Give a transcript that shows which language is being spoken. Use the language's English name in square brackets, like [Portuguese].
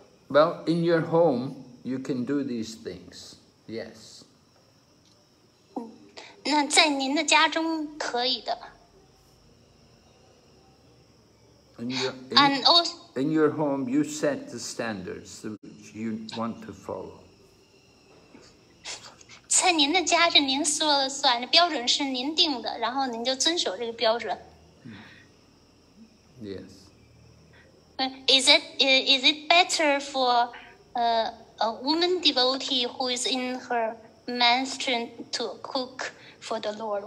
[English] Well, in your home, you can do these things. Yes. [Chinese] 那在您的家中可以的。 [English] In your home, you set the standards which you want to follow. [Chinese] 在您的家是您说了算，标准是您定的，然后您就遵守这个标准。 [English] Yes. Is it better for a woman devotee who is in her man's strength to cook for the Lord?